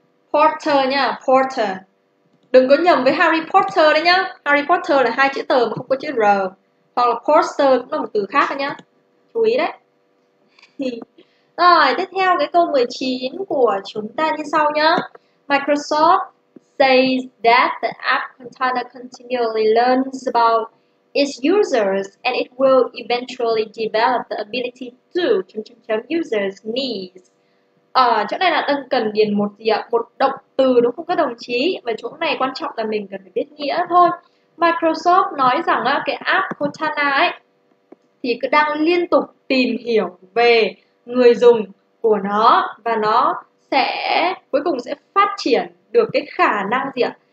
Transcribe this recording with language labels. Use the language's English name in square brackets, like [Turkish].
[Vietnamese] Porter nha, porter. Đừng có nhầm với Harry Potter đấy nhá. Harry Potter là hai chữ tờ mà không có chữ R. Hoặc là porter cũng là một từ khác đấy nhá. Chú ý đấy. Rồi, tiếp theo cái câu 19 của chúng ta như sau nhá. [English] Microsoft says that the app Cortana continually learns about its users and it will eventually develop the ability to users needs. [Vietnamese] Ở chỗ này là đang cần điền một gì ạ? Một động từ đúng không các đồng chí? Và chỗ này quan trọng là mình cần phải biết nghĩa thôi. Microsoft nói rằng cái app Cortana ấy thì cứ đang liên tục tìm hiểu về người dùng của nó, và nó sẽ cuối cùng sẽ phát triển được cái khả năng gì ạ?